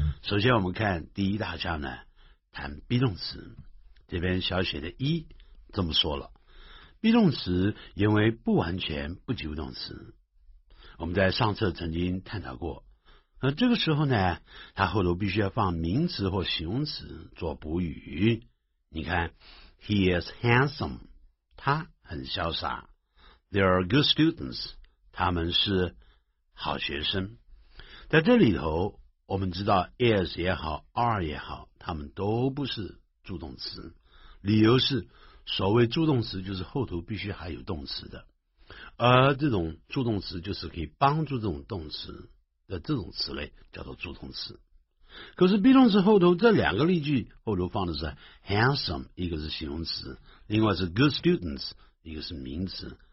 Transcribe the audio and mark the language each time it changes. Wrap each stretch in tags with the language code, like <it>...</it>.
<zh>首先我们看第一大项呢，谈 be 动词，这边小写的一这么说了， be 动词因为不完全不及物动词，我们在上册曾经探讨过，那这个时候呢，它后头必须要放名词或形容词做补语。你看 ，</zh> <en>He is handsome，</en> <zh>他很潇洒 ；</zh> <en>They are good students，</en> <zh>他们是好学生。在这里头，我们知道 is 也好 ，are 也好，他们都不是助动词。理由是，所谓助动词就是后头必须还有动词的，而这种助动词就是可以帮助这种动词。的这种词类叫做助动词，可是 be 动词后头这两个例句后头放的是 handsome， 一个是形容词，另外是 good students， 一个是名词。</zh>